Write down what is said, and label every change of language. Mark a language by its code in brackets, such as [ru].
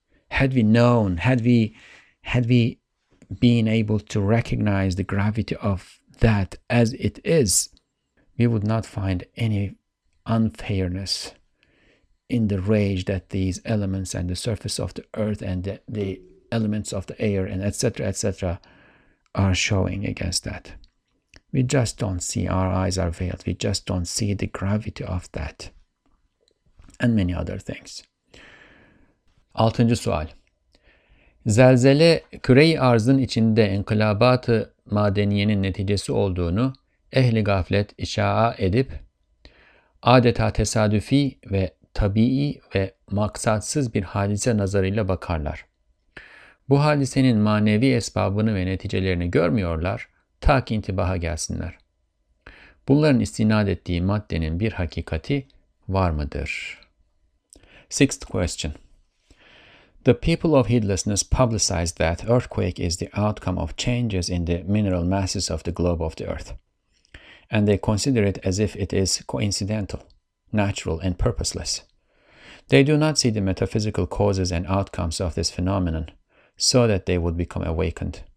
[en] Had we known, had we been able to recognize the gravity of that as it is, we would not find any unfairness in the rage that these elements and the surface of the earth and the elements of the air and etc. etc. are showing against that. We just don't see, our eyes are veiled, we just don't see the gravity of that and many other things. [tr] Altıncı sual. Zelzele küre-i arzın içinde inkılabat-ı madeniyenin neticesi olduğunu ehli gaflet işa'a edip adeta tesadüfi ve tabii ve maksatsız bir hadise nazarıyla bakarlar. Bu hadisenin manevi esbabını ve neticelerini görmüyorlar, ta ki intibaha gelsinler. Bunların istinad ettiği maddenin bir hakikati var mıdır? [en] Sixth question. The people of heedlessness publicize that earthquake is the outcome of changes in the mineral masses of the globe of the earth. And they consider it as if it is coincidental, natural and purposeless. They do not see the metaphysical causes and outcomes of this phenomenon, so that they would become awakened.